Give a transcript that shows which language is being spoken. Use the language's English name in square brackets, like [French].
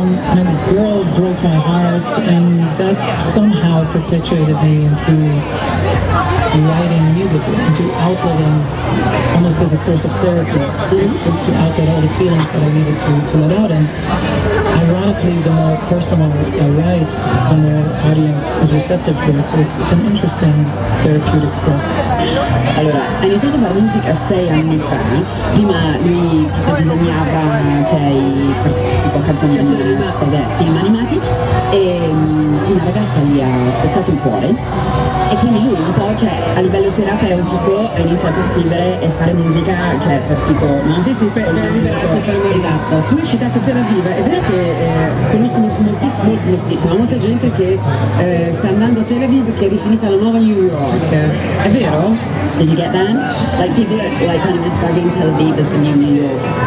[English] And a girl broke my heart, and that somehow perpetuated me into writing music, into outletting, almost as a source of therapy, to outlet all the feelings that I needed to let out. And ironically, the more personal I write, the more audience is receptive to it. So it's an interesting therapeutic process. [Italian] Allora, hai iniziato a fare musica 6 anni fa. Prima lui ti disegnava, cioè, cartoni animati, cos'è, film animati, e una ragazza gli ha spezzato il cuore. E quindi lui un po', cioè, a livello terapeutico ha iniziato a scrivere e fare musica, cioè, per tipo, no? Sì, per liberarsi, per me. Esatto. Lui è citato Tel Aviv, è vero che conosco moltissimo, molta gente che sta andando a Tel Aviv, che è definita la nuova New York, è vero? [English] Did you get that? Like people are like kind of describing Tel Aviv as the new New York.